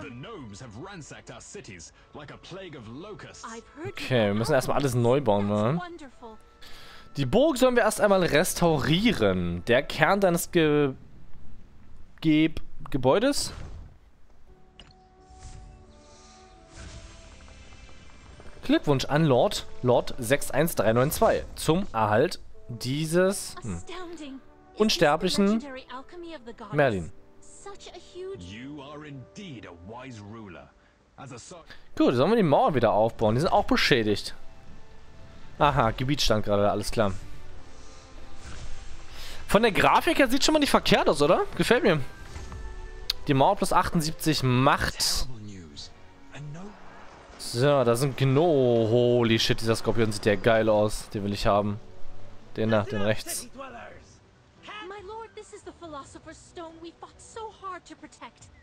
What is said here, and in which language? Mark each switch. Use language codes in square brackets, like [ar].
[en] The gnomes have ransacked our cities like a plague of locusts. [de] Okay, wir müssen erstmal alles neu bauen, ne? Die Burg sollen wir erst einmal restaurieren. Der Kern deines Gebäudes? Glückwunsch an Lord 61392 zum Erhalt dieses unsterblichen Merlin. Gut, sollen wir die Mauer wieder aufbauen? Die sind auch beschädigt. Aha, Gebietsstand gerade, alles klar. Von der Grafik her sieht schon mal nicht verkehrt aus, oder? Gefällt mir. Die Mauer plus 78 macht... So, da sind Gnome. [en] Holy shit, [de] dieser Skorpion sieht ja geil aus. Den will ich haben. Den da, den rechts. [en] My lord, this is the Philosopher's Stone we fought so hard to protect.